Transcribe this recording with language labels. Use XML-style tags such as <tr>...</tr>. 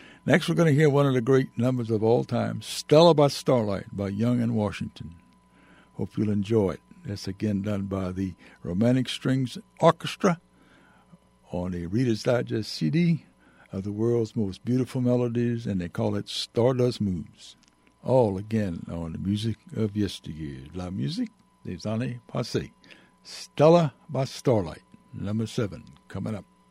<en>Next, we're going to hear one of the great numbers of all time, Stella by Starlight by Young and Washington. Hope you'll enjoy it. That's again done by the Romantic Strings Orchestra on a Reader's Digest CD of the world's most beautiful melodies, and they call it Stardust Moves. All again on the music of yesteryear.</en> <fr>La musique des années passées.</fr> <en>Stella by Starlight, number 7, coming up.</en>